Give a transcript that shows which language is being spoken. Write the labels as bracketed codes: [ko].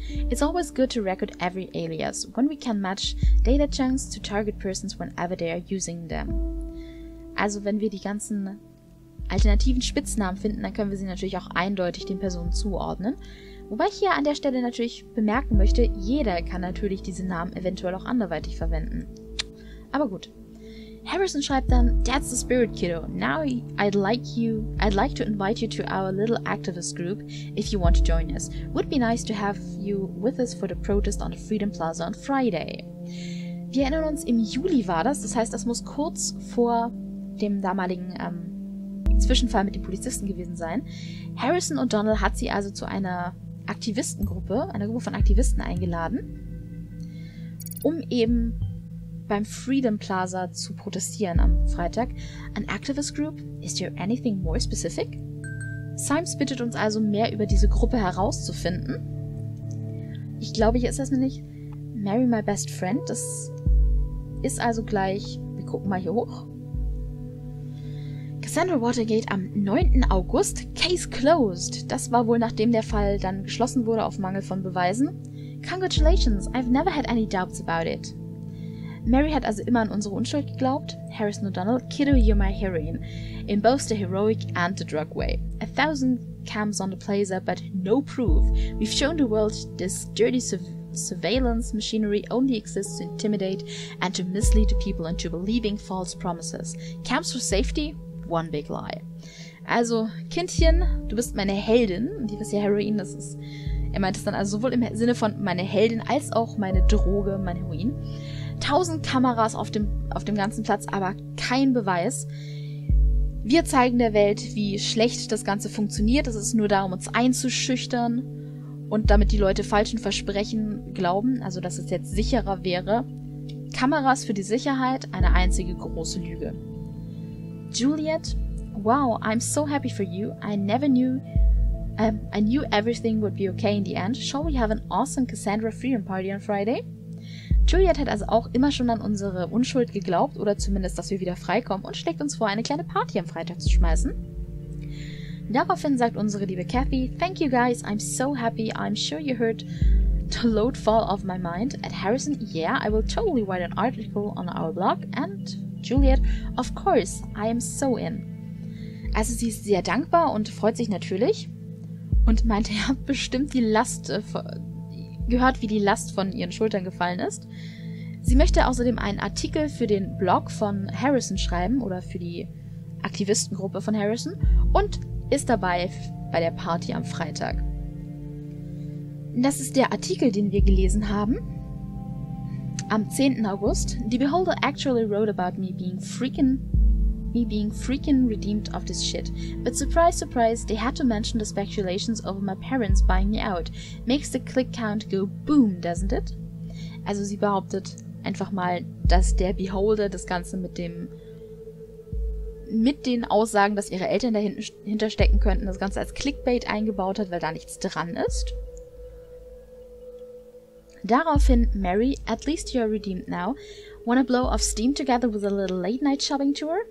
[en] It's always good to record every alias, when we can match data chunks to target persons whenever they are using them. [de] Also wenn wir die ganzen alternativen Spitznamen finden, dann können wir sie natürlich auch eindeutig den Personen zuordnen. Wobei ich hier an der Stelle natürlich bemerken möchte, jeder kann natürlich diese Namen eventuell auch anderweitig verwenden. Aber gut. Harrison schreibt dann, [en] That's the spirit, kiddo. Now I'd like to invite you to our little activist group, if you want to join us. Would be nice to have you with us for the protest on the Freedom Plaza on Friday. [de] Wir erinnern uns, im Juli war das. Das heißt, das muss kurz vor dem damaligen Zwischenfall mit den Polizisten gewesen sein. Harrison und Donald hat sie also zu einer Gruppe von Aktivisten eingeladen, um eben beim Freedom Plaza zu protestieren am Freitag. [en] An activist group? Is there anything more specific? [de] Symes bittet uns also, mehr über diese Gruppe herauszufinden. Ich glaube, hier ist das nämlich Marry My Best Friend. Das ist also gleich, wir gucken mal hier hoch. Cassandra Watergate am 9. August. Case closed. Das war wohl, nachdem der Fall dann geschlossen wurde auf Mangel von Beweisen. [en] Congratulations, I've never had any doubts about it. [de] Mary hat also immer an unsere Unschuld geglaubt. [en] Harrison O'Donnell, kiddo, you're my heroine. In both the heroic and the drug way. 1,000 cams on the plaza, but no proof. We've shown the world this dirty surveillance machinery only exists to intimidate and to mislead the people into believing false promises. Cams for safety? One big lie. [de] Also, Kindchen, du bist meine Heldin. Und die ist ja Heroin, das ist... Er meint es dann also sowohl im Sinne von meine Heldin als auch meine Droge, mein Heroin. 1,000 Kameras auf dem ganzen Platz, aber kein Beweis. Wir zeigen der Welt, wie schlecht das Ganze funktioniert. Es ist nur darum, uns einzuschüchtern und damit die Leute falschen Versprechen glauben, also dass es jetzt sicherer wäre. Kameras für die Sicherheit, eine einzige große Lüge. [en] Juliet, wow, I'm so happy for you. I knew everything would be okay in the end. Shall we have an awesome Cassandra Freedom Party on Friday? [de] Juliet hat also auch immer schon an unsere Unschuld geglaubt oder zumindest, dass wir wieder freikommen und schlägt uns vor, eine kleine Party am Freitag zu schmeißen. Daraufhin sagt unsere liebe Kathy, [en] Thank you guys, I'm so happy, I'm sure you heard the load fall off my mind. At Harrison, yeah, I will totally write an article on our blog. And Juliet, of course, I am so in. [de] Also sie ist sehr dankbar und freut sich natürlich und meint, ihr habt bestimmt die Last gehört, wie die Last von ihren Schultern gefallen ist. Sie möchte außerdem einen Artikel für den Blog von Harrison schreiben oder für die Aktivistengruppe von Harrison und ist dabei bei der Party am Freitag. Das ist der Artikel, den wir gelesen haben. Am 10. [en] August, the Beholder actually wrote about me being freaking redeemed of this shit. But surprise, surprise, they had to mention the speculations over my parents buying me out. Makes the click count go boom, doesn't it? [de] Also sie behauptet, einfach mal, dass der Beholder das Ganze mit dem, mit den Aussagen, dass ihre Eltern dahinter stecken könnten, das Ganze als Clickbait eingebaut hat, weil da nichts dran ist. Daraufhin, [en] Mary, at least you're redeemed now. Wanna blow off steam together with a little late night shopping tour?